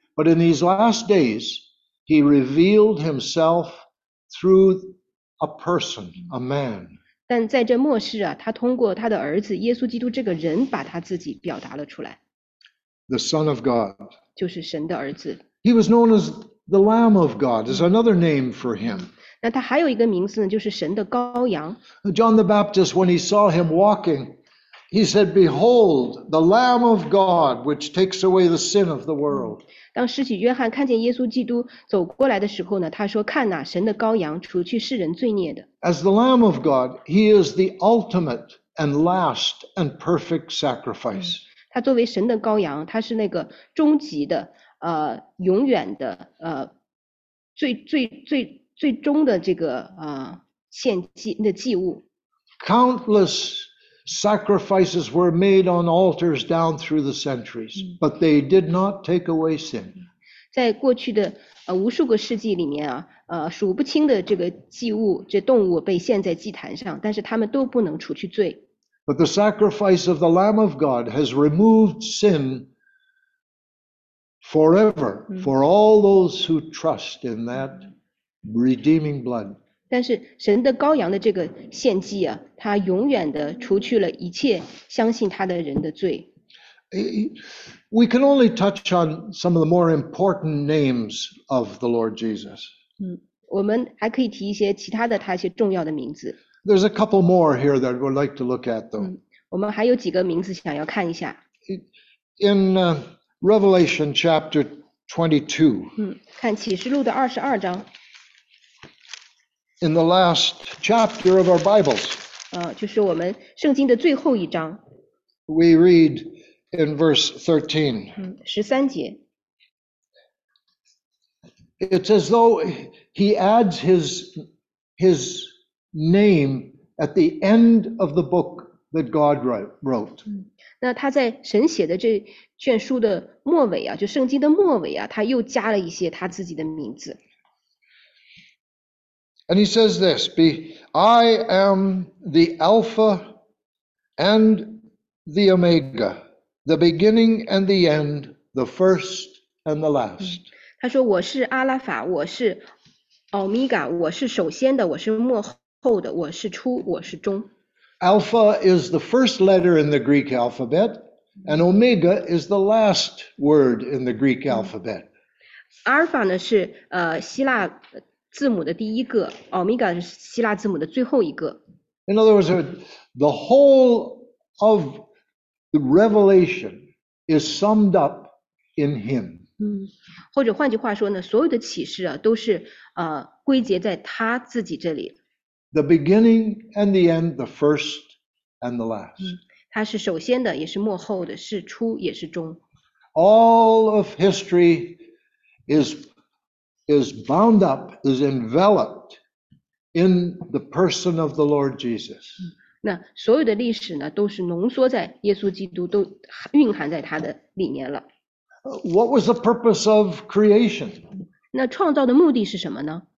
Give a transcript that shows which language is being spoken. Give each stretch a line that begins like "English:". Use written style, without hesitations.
English: But in these last days,He revealed himself through a person, a man.
Chinese: 但在这末世啊，他通过他的儿子耶稣基督这个人，把他自己表达了出来。
English: The Son of God.
Chinese: 就是神的儿子。
English: He was known as the Lamb of God. Is another name for him.
Chinese: 那他还有一个名字呢，就是神的羔羊。
English: John the Baptist, when he saw him walking, he said, "Behold, the Lamb of God, which takes away the sin of the world."
Chinese: 当施洗约翰看见耶稣基督走过来的时候呢，他说：“看哪，神的羔羊，除去世人罪孽的。”
English: As the Lamb of God, He is the ultimate and last and perfect sacrifice.
Chinese: 他作为神的羔羊，他是那个终极的、永远的、最终的这个献祭的祭物。
English: Countless Sacrifices were made on altars down through the centuries, but they did not take away sin.
Chinese: 在过去的无数个世纪里面数不清的这个祭物，这动物被献在祭坛上，但是他们都不能除去罪。
English: But the sacrifice of the Lamb of God has removed sin forever for all those who trust in that redeeming blood.
Chinese: 但是神的羔羊的这个献祭啊，他永远的除去了一切相信他的人的罪。
English: We can only touch on some of the more important names of the Lord Jesus.
Chinese: 我们还可以提一些其他的他一些重要的名字。
English: There's a couple more here that we'd like to look at, though.
Chinese: 我们还有几个名字想要看一下。
English: In Revelation chapter 22.
Chinese: 看启示录的二十二章。
English: In the last chapter of our Bibles.
Chinese: 就是我们圣经的最后一章。
English: We read in verse 13.
Chinese: 十三节。
English: It's as though he adds his name at the end of the book that God wrote.
Chinese: 那他在神写的这卷书的末尾啊，就圣经的末尾啊，他又加了一些他自己的名字。
English: And he says this, I am the Alpha and the Omega, the beginning and the end, the first and the last.
Chinese: 他说我是阿拉法，我是欧米伽，我是首先的，我是末后的，我是初，我是终。
English: Alpha is the first letter in the Greek alphabet, and Omega is the last word in the Greek alphabet.
Chinese: Alpha 呢是希腊字母的第一个， Omega 是希腊字母的最后一个。
English: In other words, the whole of the Revelation is summed up in him.
Chinese: 或者换句话说呢，所有的启示啊都是归结在他自己这里。
English: The beginning and the end, the first and the last.
Chinese: 它是首先的，也是末后的，是初，也是终。
English: All of history is bound up, is enveloped in the person of the Lord Jesus.
Chinese: 那所有的历史呢，都是浓缩在耶稣基督，都蕴含在他的里面了。
English: What was the purpose of creation?
Chinese: 那创造的目的是什么呢？